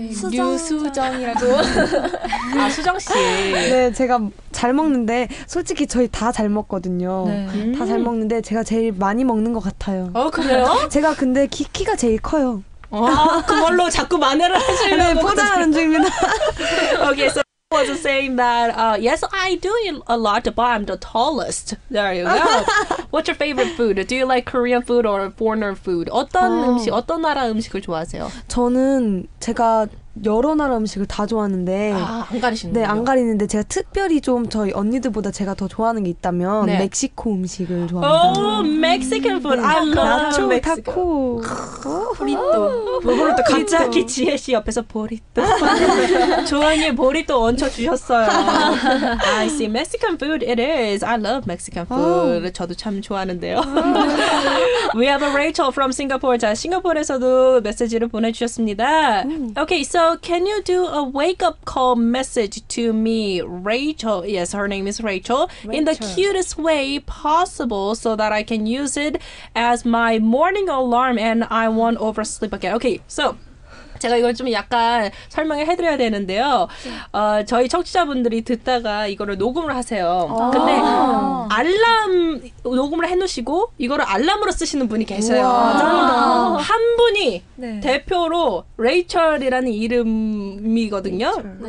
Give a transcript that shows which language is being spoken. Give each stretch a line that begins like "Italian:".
Korean: 유수정이라고. 아, 수정 씨. 네, 제가 잘 먹는데 솔직히 저희 다 잘 먹거든요. 네. 다 잘 먹는데 제가 제일 많이 먹는 것 같아요. 어, 그래요? 제가 근데 키가 제일 커요. 아, 그걸로 자꾸 만회를 하시려고. 네, 포장하는 중입니다.
English: Okay, so I was saying that, yes, I do eat a lot, but I'm the tallest. There you go. What's your favorite food? Do you like Korean food or foreigner food?
Korean: 어떤 음식, 어떤 나라 음식을 좋아하세요? 저는 제가 여러 나라 음식을 다 좋아하는데. 아, 안 가리시는군요. 네, 안 가리는데 제가 특별히 좀 저희 언니들보다 제가 더 좋아하는 게 있다면 네. 멕시코 음식을 좋아합니다. 오, 멕시칸 푸드. 아, 나초, 타코. 보리또. 보리또. 갑자기 지혜 씨 옆에서 보리또. 조언이 보리또 얹혀주셨어요.
English: I see. Mexican food it is. I love Mexican food.
Korean: 저도 참 좋아하는데요.
English: We have a Rachel from Singapore.
Korean: 자, 싱가포르에서도 메시지를 보내주셨습니다.
English: Okay, so can you do a wake-up call message to me, Rachel? Yes, her name is Rachel. In the cutest way possible so that I can use it as my morning alarm and I won't oversleep again. Okay, so
Korean: 제가 이걸 좀 약간 설명을 해드려야 되는데요. 어, 저희 청취자분들이 듣다가 이거를 녹음을 하세요. 근데 알람 녹음을 해놓으시고 이거를 알람으로 쓰시는 분이 계세요. 한 분이 네. 대표로 레이첼이라는 이름이거든요. 레이첼, 네.